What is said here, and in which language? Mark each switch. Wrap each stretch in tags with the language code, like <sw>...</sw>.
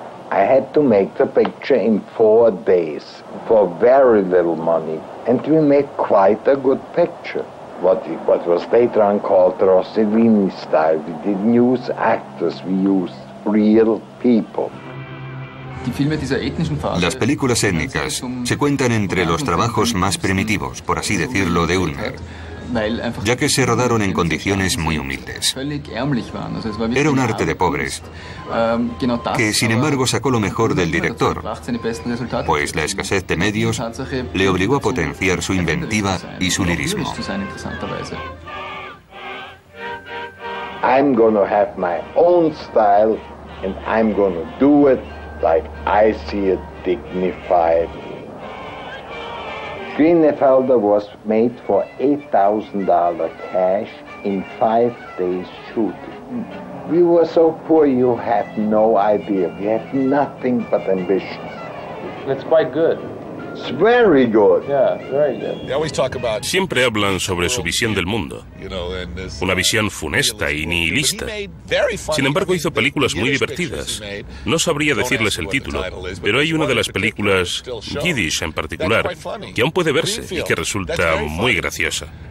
<en>I had to make the picture in 4 days for very little money, and we made quite a good picture. What was later on called Rossellini style. We didn't use actors, we used real people.</en> <es>Las películas étnicas se cuentan entre los trabajos más primitivos, por así decirlo, de Ulmer, ya que se rodaron en condiciones muy humildes. Era un arte de pobres, que sin embargo sacó lo mejor del director, pues la escasez de medios le obligó a potenciar su inventiva y su lirismo.</es> <en>I'm gonna have my own style and I'm gonna do it like I see it dignified. Greenfelder was made for $8,000 cash in 5 days shooting. We were so poor, you had no idea. We had nothing but ambitions. It's quite good. It's very good. Yeah, very good. They always talk about.</en> <es>Siempre hablan sobre su visión del mundo. Una visión funesta y nihilista. Sin embargo, hizo películas muy divertidas. No sabría decirles el título, pero hay una de las películas, Yiddish en particular, que aún puede verse y que resulta muy graciosa.</es>